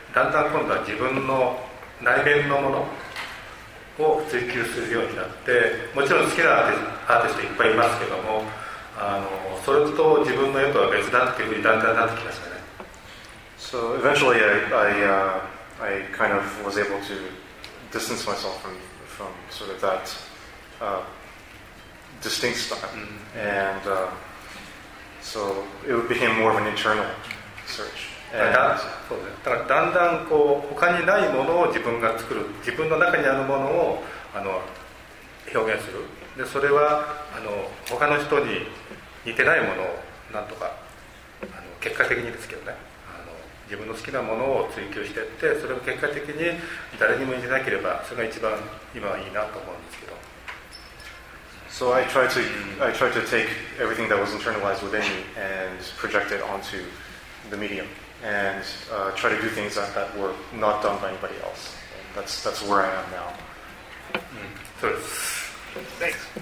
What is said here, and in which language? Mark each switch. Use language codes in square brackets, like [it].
[ja] だんだん今度は自分の内面のものを追求するようになって、もちろん好きなアーティストいっぱいいますけども、それと自分の絵とは別だっていうふうにだんだんなってきましたね。 [en] So eventually I kind of was able to distance myself from sort of that distinct style、mm-hmm. and so it became more of an internal search [ja] だからだんだんこう他にないものを自分が作る、自分の中にあるものを表現する。でそれは他の人に似てないものをなんとか結果的にですけどね、自分の好きなものを追求していって、それを結果的に誰にも似てなければ、それが一番今はいいなと思うんですけど。 [en] So I try to take everything that was internalized within me and project it onto the mediumand try to do things that were not done by anybody else. That's where I am now. Thanks.